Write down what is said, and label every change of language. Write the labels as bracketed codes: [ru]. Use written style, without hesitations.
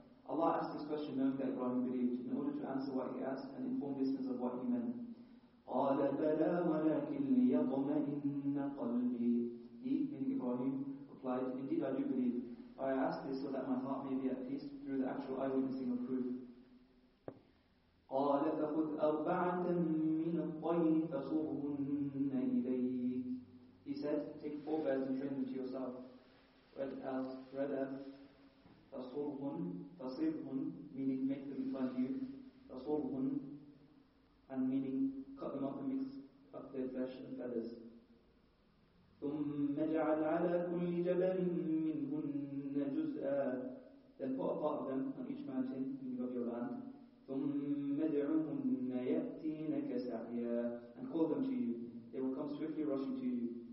[en] Allah asked this question knowing that Ibrahim believed, in order to answer what he asked and inform listeners of what he meant. [ar] قَالَ بَلَى وَلَكِنْ لِيَطْمَئِنَّ قَلْبِي [en] He, meaning Ibrahim, replied, indeed I do believe. But I ask this so that my heart may be at peace through the actual eyewitnessing of proof. [ar] قال فخذ أربعة من الطير فصرهن إليك. [en] He said, take 4 birds and train them to yourself. Red elf, فصرهن, فصرهن, meaning make them in front of you. فصرهن, and meaning cut them up and mix up their flesh and feathers. [ar] ثم اجعل على كل جبل منهن جزءا. [en] Then put a part of them on each mountain when you have your land. And call them to you. They will come swiftly rushing to you.